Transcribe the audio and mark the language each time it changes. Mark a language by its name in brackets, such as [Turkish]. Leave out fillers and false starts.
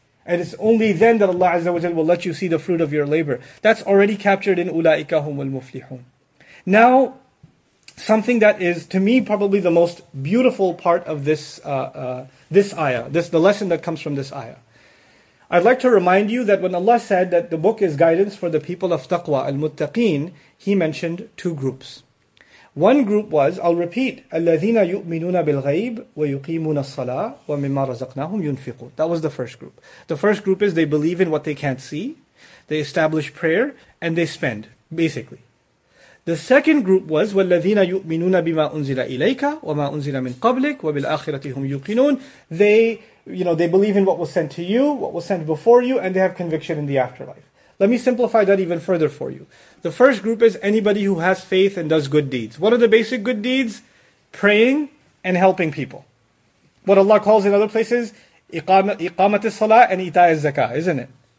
[English] And it's only then that Allah Azza wa Jalla will let you see the fruit of your labor. That's already captured in [Arabic] أُولَٰئِكَ هُمُ الْمُفْلِحُونَ. [English] Now, something that is, to me, probably the most beautiful part of this this ayah, the lesson that comes from this ayah. I'd like to remind you that when Allah said that the book is guidance for the people of taqwa, al-muttaqeen, He mentioned two groups. One group was, I'll repeat, [Arabic] الَّذِينَ يُؤْمِنُونَ بِالْغَيْبِ وَيُقِيمُونَ الصَّلَاةَ وَمِمَّا رَزَقْنَاهُمْ يُنْفِقُونَ. [English] That was the first group. The first group is they believe in what they can't see, they establish prayer, and they spend, basically. The second group was, [Arabic] وَالَّذِينَ يُؤْمِنُونَ بِمَا أُنزِلَ إِلَيْكَ وَمَا أُنزِلَ مِنْ قَبْلِكَ وَبِالْآخِرَةِ هُمْ يُقِنُونَ. [English] They believe in what was sent to you, what was sent before you, and they have conviction in the afterlife. Let me simplify that even further for you. The first group is anybody who has faith and does good deeds. What are the basic good deeds? Praying and helping people. What Allah calls in other places, [Arabic] إِقَامَةِ الصَّلَاةِ [English] and [Arabic] إِتَاءَ الزَّكَاةِ, [English] isn't it?